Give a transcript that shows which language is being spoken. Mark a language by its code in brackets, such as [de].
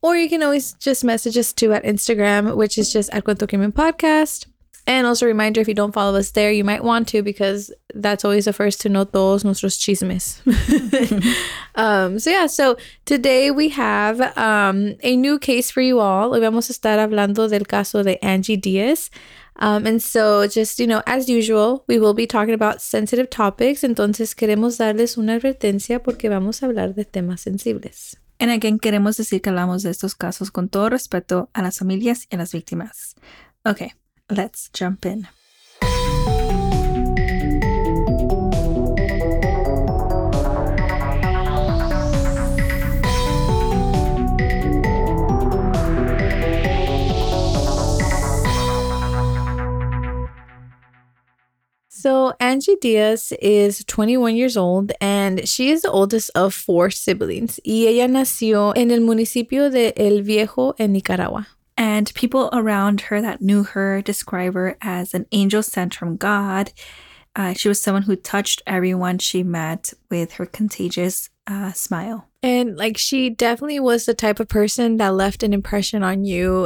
[en] Or you can always just message us, too, at Instagram, which is just at Cuento Crimen Podcast. And also, a reminder, if you don't follow us there, you might want to, because that's always the first to know [es] todos nuestros chismes. [en] So today we have a new case for you all. [es] Hoy vamos a estar hablando del caso de Angie Diaz. [en] As usual, we will be talking about sensitive topics. [es] Entonces, queremos darles una advertencia porque vamos a hablar de temas sensibles. [en] And again, [es] queremos decir que hablamos de estos casos con todo respeto a las familias y a las víctimas. [en] Okay, let's jump in. So Angie Diaz is 21 years old, and she is the oldest of four siblings. [es] Y ella nació en el municipio de El Viejo en Nicaragua. [en] And people around her that knew her describe her as an angel sent from God. She was someone who touched everyone she met with her contagious smile. And, like, she definitely was the type of person that left an impression on you.